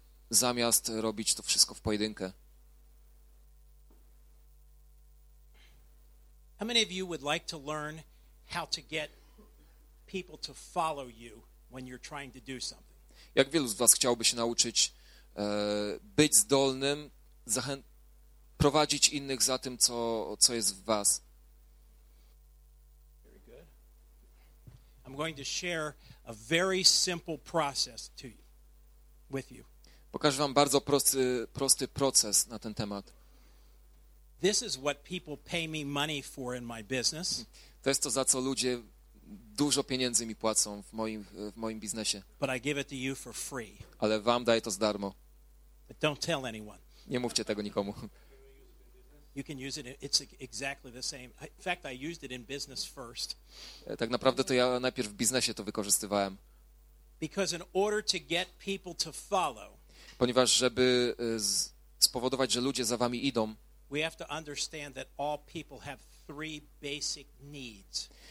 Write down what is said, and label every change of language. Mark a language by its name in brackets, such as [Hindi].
[Polish] Zamiast robić to wszystko w pojedynkę. [English] How many of you would like to learn how to get people to follow you when you're trying to do something? [Polish] Jak wielu z was chciałby się nauczyć być zdolnym, prowadzić innych za tym, co jest w was. [English] Very good. I'm going to share a very simple process to you, with you. [Polish] Pokażę wam bardzo prosty proces na ten temat. [English] This is what people pay me money for in my business. [Polish] To jest to, za co ludzie dużo pieniędzy mi płacą w moim biznesie. [English] But I give it to you for free. [Polish] Ale wam daję to za darmo. [English] But don't tell anyone. [Polish] Nie mówcie tego nikomu. [English] You can use it. It's exactly the same. In fact, I used it in business first. [Polish] Tak naprawdę to ja najpierw w biznesie to wykorzystywałem. [English] Because in order to get people to follow. [Polish] Ponieważ żeby spowodować, że ludzie za wami idą. [English] We have to understand that all people have three basic needs.